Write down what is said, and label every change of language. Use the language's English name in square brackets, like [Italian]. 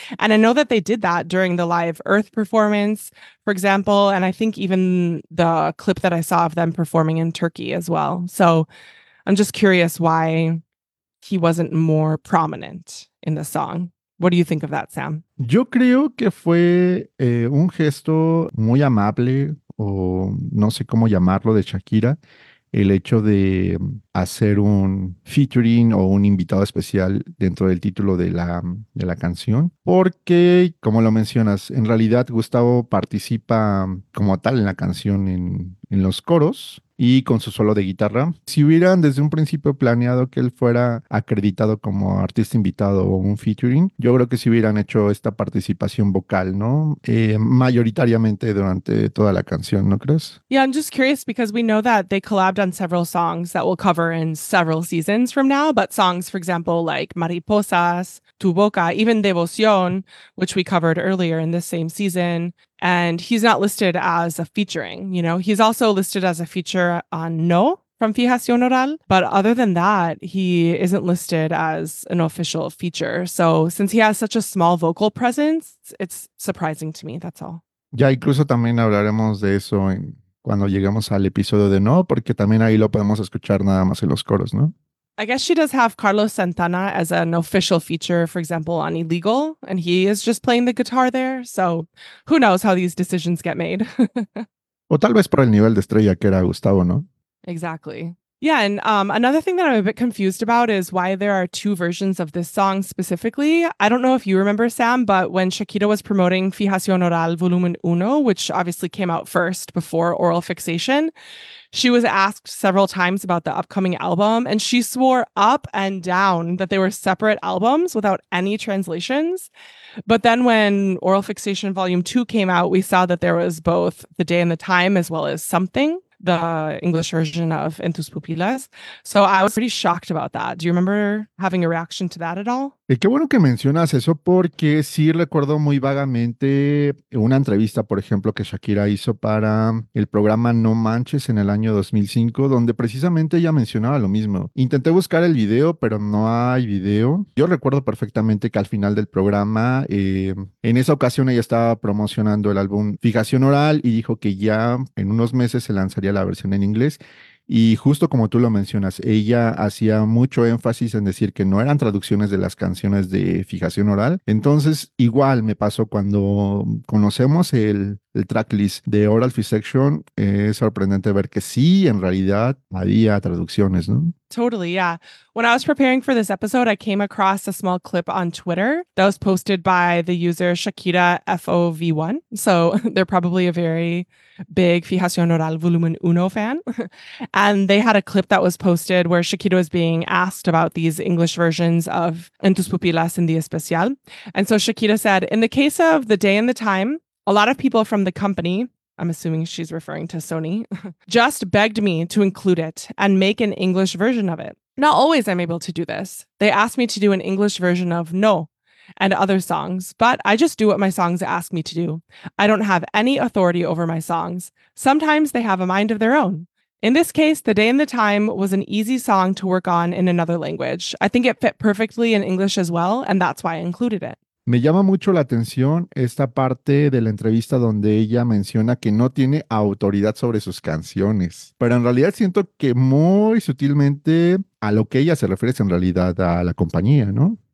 [English] And I know that they did that during the live Earth performance, for example. And I think even the clip that I saw of them performing in Turkey as well. So I'm just curious why he wasn't more prominent in the song. What do you think of that, Sam? [Spanish] Yo creo que fue un gesto muy amable, o no sé cómo llamarlo, de Shakira. El hecho de hacer un featuring o un invitado especial dentro del título de la canción. Porque, como lo mencionas, en realidad Gustavo participa como tal en la canción en los coros y con su solo de guitarra. Si hubieran desde un principio planeado que él fuera acreditado como artista invitado o un featuring, yo creo que si hubieran hecho esta participación vocal, ¿no? Mayoritariamente durante toda la canción, ¿no crees? [English] Yeah, I'm just curious because we know that they collabed on several songs that we'll cover in several seasons from now, but songs, for example, like Mariposas, Tu Boca, even Devoción, which we covered earlier in this same season. And he's not listed as a featuring, you know, he's also listed as a feature on No from Fijación Oral. But other than that, he isn't listed as an official feature. So since he has such a small vocal presence, it's surprising to me. That's all. [Spanish] Ya incluso también hablaremos de eso cuando lleguemos al episodio de No, porque también ahí lo podemos escuchar nada más en los coros, ¿no? [English] I guess she does have Carlos Santana as an official feature, for example, on Illegal, and he is just playing the guitar there. So who knows how these decisions get made. [Spanish] O tal vez por el nivel de estrella que era Gustavo, ¿no? [English] Exactly. Yeah, and another thing that I'm a bit confused about is why there are two versions of this song specifically. I don't know if you remember, Sam, but when Shakira was promoting Fijación Oral Volumen Uno, which obviously came out first before Oral Fixation, she was asked several times about the upcoming album, and she swore up and down that they were separate albums without any translations. But then when Oral Fixation Volume 2 came out, we saw that there was both The Day and the Time as well as Something, the English version of En Tus Pupilas. So I was pretty shocked about that. Do you remember having a reaction to that at all? [Spanish] Y qué bueno que mencionas eso, porque sí recuerdo muy vagamente una entrevista, por ejemplo, que Shakira hizo para el programa No Manches en el año 2005, donde precisamente ella mencionaba lo mismo. Intenté buscar el video, pero no hay video. Yo recuerdo perfectamente que al final del programa, en esa ocasión ella estaba promocionando el álbum Fijación Oral y dijo que ya en unos meses se lanzaría la versión en inglés. Y justo como tú lo mencionas, ella hacía mucho énfasis en decir que no eran traducciones de las canciones de Fijación Oral. Entonces, igual me pasó cuando conocemos el tracklist de Oral Fixation, es sorprendente ver que sí, en realidad, había traducciones, ¿no? [English] Totally, yeah. When I was preparing for this episode, I came across a small clip on Twitter that was posted by the user Shakira FOV1. So they're probably a very big Fijación Oral Volumen Uno fan. And they had a clip that was posted where Shakira was being asked about these English versions of En Tus Pupilas en Día Especial. And so Shakira said, in the case of The Day and the Time, a lot of people from the company, I'm assuming she's referring to Sony, just begged me to include it and make an English version of it. Not always I'm able to do this. They asked me to do an English version of No and other songs, but I just do what my songs ask me to do. I don't have any authority over my songs. Sometimes they have a mind of their own. In this case, The Day and the Time was an easy song to work on in another language. I think it fit perfectly in English as well, and that's why I included it. [Spanish] Me llama mucho la atención esta parte de la entrevista donde ella menciona que no tiene autoridad sobre sus canciones. Pero en realidad siento que muy sutilmente a lo que ella se refiere es en realidad a la compañía, ¿no?